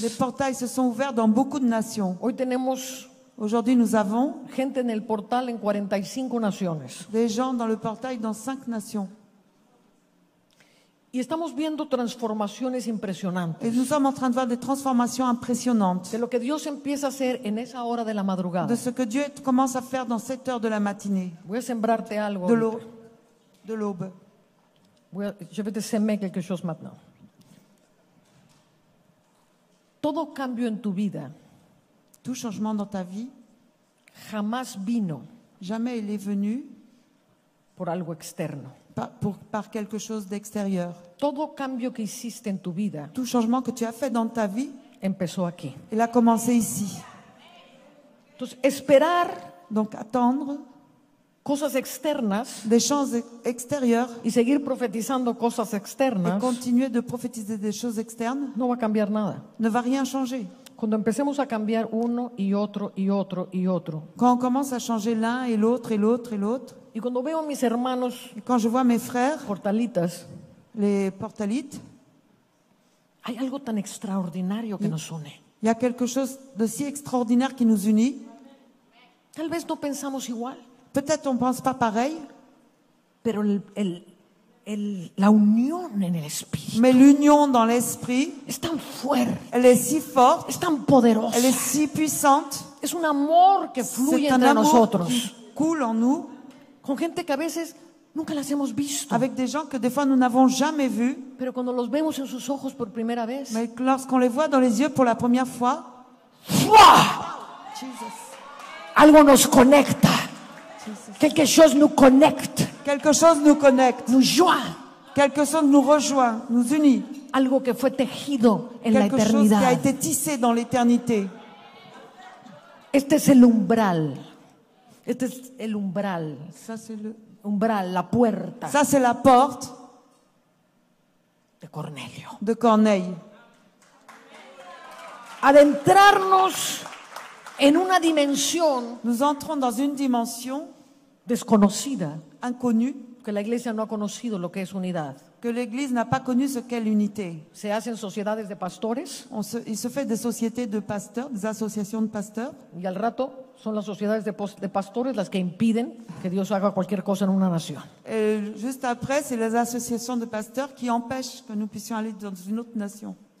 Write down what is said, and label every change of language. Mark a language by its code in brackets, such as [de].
[fr] Les portails se sont ouverts dans beaucoup de nations. [es] Hoy tenemos [fr] aujourd'hui nous avons [es] gente en el portal en 45 naciones. [fr] Des gens dans le portail dans 5 nations. [es] Y estamos viendo transformaciones impresionantes. [fr] Et nous sommes en train de voir des transformations impressionnantes. [es] De lo que Dios empieza a hacer en esa hora de la madrugada. [fr] De ce que Dieu commence à faire dans cette heure de la matinée. [es] Voy a sembrarte algo. [fr] De l'aube. Je vais te semer quelque chose maintenant. [es] Todo cambio en tu vida. [fr] Tout changement dans ta vie. [es] Jamás vino. [fr] Jamais il est venu. [es] Por algo externo. [fr] Par quelque chose d'extérieur. [es] Todo cambio que hiciste en tu vida. [fr] Tout changement que tu as fait dans ta vie. [es] Empezó aquí. [fr] Il a commencé ici. [es] Entonces, esperar. [fr] Donc attendre. [es] Cosas externas. [fr] Des choses extérieures. [es] Y seguir profetizando cosas externas. [fr] Et continuer de prophétiser des choses externes. [es] No va a cambiar nada. [fr] Ne va rien changer. [es] Cuando empecemos a cambiar uno y otro y otro y otro. [fr] Quand on commence à changer l'un et l'autre et l'autre et l'autre. [es] Y cuando veo a mis hermanos, [fr] quand je vois mes frères, [es] portalitas, [fr] les portalites, [es] hay algo tan extraordinario que nos une. [fr] Y a quelque chose de si extraordinaire qui nous unit. [es] Tal vez no pensamos igual. [fr] Peut-être on pense pas pareil. [es] Pero la unión en el espíritu. [fr] Mais l'union dans l'esprit. [es] Es tan fuerte. [fr] Elle est si forte. [es] Es tan poderosa. [fr] Elle est si puissante. [es] Es un amor que fluye entre nosotros. [fr] C'est un amour qui coule en nous. [es] Con gente que a veces nunca las hemos visto. [fr] Avec des gens que des fois nous n'avons jamais vus. [es] Pero cuando los vemos en sus ojos por primera vez. [fr] Mais lorsqu'on les voit dans les yeux pour la première fois. [es] Jesus. Algo nos conecta. [fr] Quelque chose nous connecte. Quelque chose nous connecte. Nous joint. Quelque chose nous rejoint, nous unit. [es] Algo que fue tejido en la eternidad. [fr] Quelque chose qui a été tissé dans l'éternité. [es] Este es el umbral. Este es el umbral. [fr] Ça c'est le [es] umbral, la puerta. [fr] Ça c'est la porte [es] de Cornelio. [fr] De Corneille. [es] Adentrarnos en una dimensión. [fr] Nous entrons dans une dimension [es] desconocida, [fr] inconnue, [es] que la iglesia no ha conocido lo que es unidad. [fr] Que l'église n'a pas connu ce qu'est l'unité. [es] Se hacen sociedades de pastores. [fr] Il se fait des sociétés de pasteurs, des associations de pasteurs. [es] Y al rato son las sociedades de pastores las que impiden que Dios haga cualquier cosa en una nación. [fr] Juste après, c'est les associations de pasteurs qui empêchent que nous puissions aller dans une autre nation.